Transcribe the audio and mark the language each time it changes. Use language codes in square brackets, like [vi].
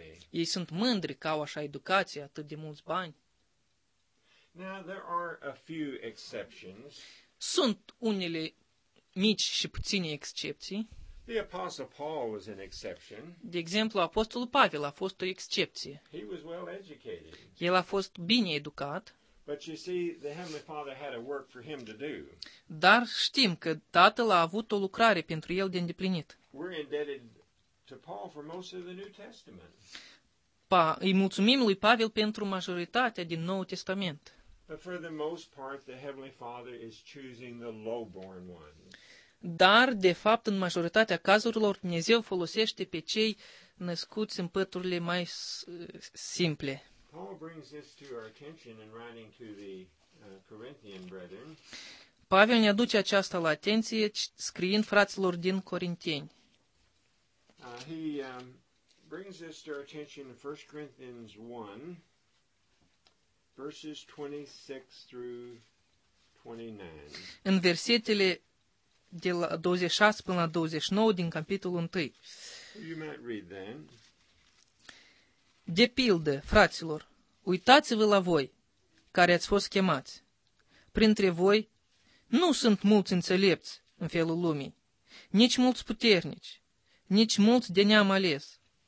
[ro] Ei sunt mândri că au așa educație, atât de mulți bani. [en] Now, there are a few exceptions. [ro] Sunt unele mici și puține excepții. [en] The Apostle Paul was an exception. [ro] De exemplu, Apostolul Pavel a fost o excepție. [en] He was well educated. [ro] El a fost bine educat. [en] But you see, the Heavenly Father had a work for him to do. [ro] Dar știm că Tatăl a avut o lucrare pentru el de îndeplinit. [en] We're indebted to Paul for most of the New Testament. [ro] Îi mulțumim lui Pavel pentru majoritatea din Noul Testament. [en] But for the most part, the Heavenly Father is choosing the low-born ones. [ro] Dar, de fapt, în majoritatea cazurilor, Dumnezeu folosește pe cei născuți în păturile mai simple. [en] Paul brings this to our attention in writing to the Corinthian brethren. [ro] Pavel ne aduce aceasta la atenție scriind fraților din Corinteni. [en] He brings this to our attention in 1 Corinthians 1, verses 26 through 29. [ro] În versetele de la 26 până la 29 din capitolul 1. [en] You might read then. [ro] De pildă, fraților, uitați-vă la voi, care ați fost chemați. Printre voi nu sunt mulți înțelepți în felul lumii, nici mulți puternici, nici mulți de neam ales.